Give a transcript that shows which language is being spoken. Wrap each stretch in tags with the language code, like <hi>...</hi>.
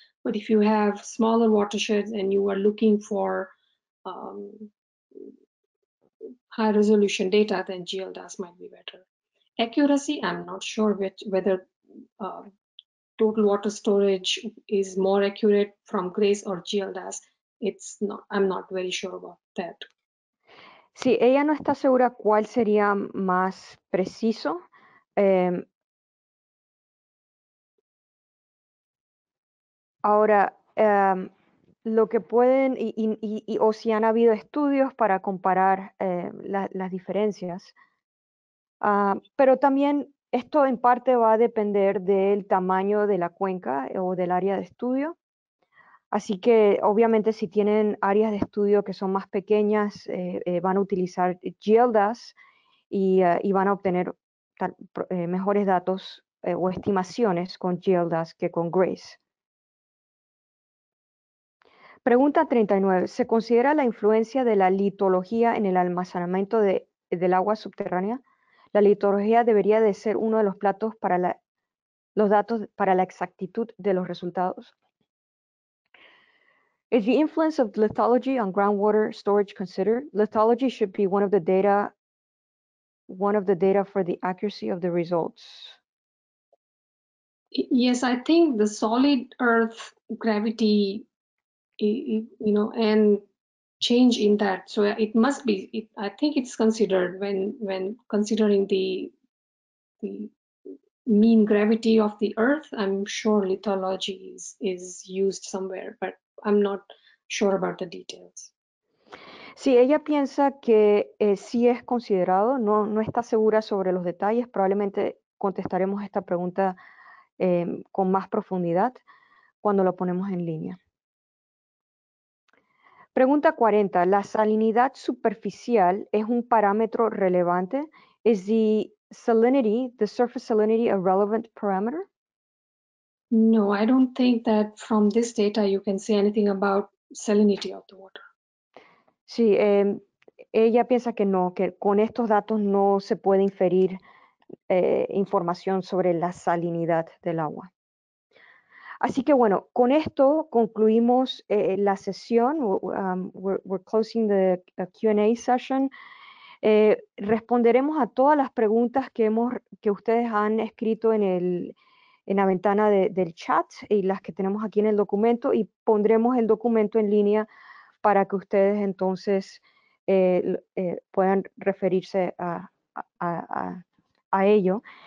<en>But if you have smaller watersheds and you are looking for high resolution data, then GLDAS might be better. Accuracy, I'm not sure whether total water storage is more accurate from GRACE or GLDAS. It's not, I'm not very sure about that.</en> <es>Sí, ella no está segura cuál sería más preciso. Ahora, lo que pueden, y o si han habido estudios para comparar las diferencias. Pero también esto en parte va a depender del tamaño de la cuenca o del área de estudio. Así que, obviamente, si tienen áreas de estudio que son más pequeñas, van a utilizar GLDAS y van a obtener mejores datos o estimaciones con GLDAS que con GRACE. Pregunta 39. ¿Se considera la influencia de la litología en el almacenamiento del agua subterránea? ¿La litología debería de ser uno de los platos para los datos para la exactitud de los resultados?</es> <en>Is the influence of lithology on groundwater storage considered? Lithology should be one of the data for the accuracy of the results. Yes, I think the solid earth gravity, you know, and change in that. So it must be, I think it's considered when considering the mean gravity of the earth. I'm sure lithology is used somewhere, but I'm not sure about the details.</en> <es>Sí, ella piensa que sí es considerado, no está segura sobre los detalles, probablemente contestaremos esta pregunta con más profundidad cuando lo ponemos en línea. Pregunta 40, ¿la salinidad superficial es un parámetro relevante?</es> <en>Is the salinity, the surface salinity, a relevant parameter? No, I don't think that from this data you can say anything about salinity of the water.</en> <es>Sí, ella piensa que no, que con estos datos no se puede inferir información sobre la salinidad del agua. Así que bueno, con esto concluimos la sesión.</es> <en>We're closing the Q&A session.</en> <es>Responderemos a todas las preguntas que ustedes han escrito en la ventana del chat y las que tenemos aquí en el documento, y pondremos el documento en línea para que ustedes entonces puedan referirse a ello.</es>